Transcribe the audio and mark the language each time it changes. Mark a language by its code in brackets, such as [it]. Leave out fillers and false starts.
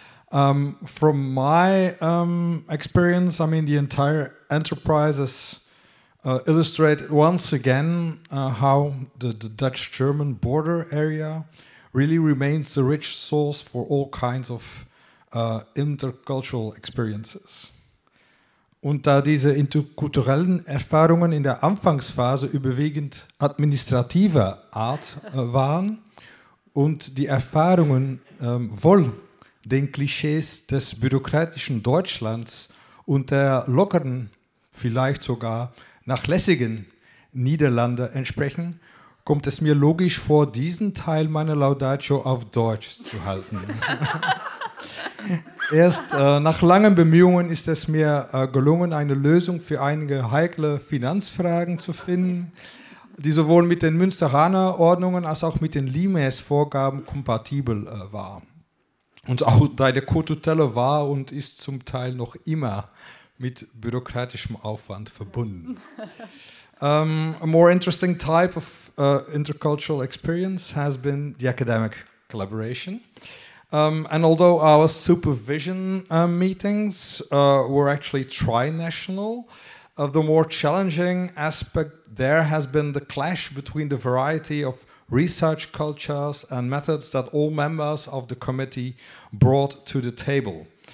[en] From my experience, I mean, the entire enterprise has illustrated once again how the Dutch-German border area really remains a rich source for all kinds of intercultural experiences. [de] Und da diese interkulturellen Erfahrungen in der Anfangsphase überwiegend administrativer Art waren, und die Erfahrungen wohl den Klischees des bürokratischen Deutschlands und der lockeren, vielleicht sogar nachlässigen Niederlande entsprechen, kommt es mir logisch vor, diesen Teil meiner Laudatio auf Deutsch zu halten. Erst nach langen Bemühungen ist es mir gelungen, eine Lösung für einige heikle Finanzfragen zu finden, die sowohl mit den Münsteraner Ordnungen als auch mit den Limes-Vorgaben kompatibel war. Und auch deine Co-Tutelle war und ist zum Teil noch immer mit bürokratischem Aufwand verbunden. [en] A more interesting type of intercultural experience has been the academic collaboration. And although our supervision meetings were actually tri-national, the more challenging aspect there has been the clash between the variety of research cultures and methods that all members of the committee brought to the table.